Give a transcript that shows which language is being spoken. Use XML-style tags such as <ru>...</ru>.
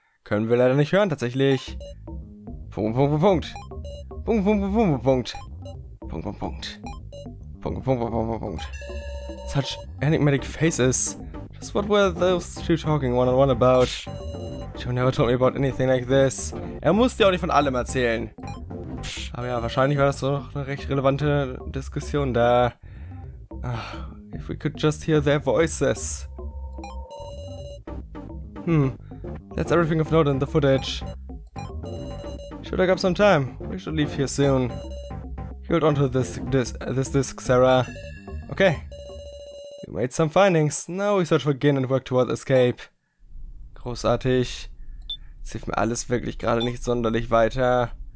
<de>Können wir leider nicht hören, tatsächlich. Punkt, Punkt, Punkt, Punkt. Punkt, Punkt, Punkt, Punkt, Punkt. Punkt, Punkt, Punkt. Punkt, Punkt, Punkt, Punkt, Punkt, Punkt.</de> <en>Such enigmatic faces. Just what were those two talking one-on-one about? Joe never told me about anything like this.</en> <de>Er musste ja auch nicht von allem erzählen. Aber ja, wahrscheinlich war das doch eine recht relevante Diskussion da.</de> <en>If we could just hear their voices. Hmm, that's everything of note in the footage. Should I grab some time? We should leave here soon. Hold on to this disc, Sarah. Okay. We made some findings. Now we search for Gin and work towards escape.</en> <de>Großartig. Das hilft mir alles wirklich gerade nicht sonderlich weiter.</de>